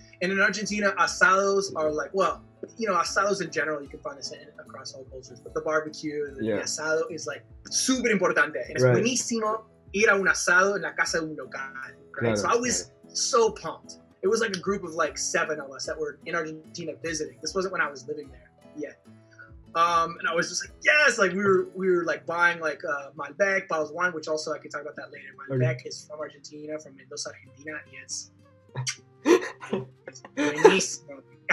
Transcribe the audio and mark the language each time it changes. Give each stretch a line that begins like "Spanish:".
English: And in Argentina, asados are like, well, you know, asados in general, you can find this in across all cultures, but the barbecue, the asado is like super importante. And it's
Spanish: buenísimo ir a un asado en la casa de un local.
English: Right? So I was so pumped. It was like a group of like seven of us that were in Argentina visiting. This wasn't when I was living there yet. And I was just like, yes, like we were like buying like Malbec, bottles of wine, which also I can talk about that later. Malbec is from Argentina, from Mendoza, Argentina. Yes. It's buenísimo.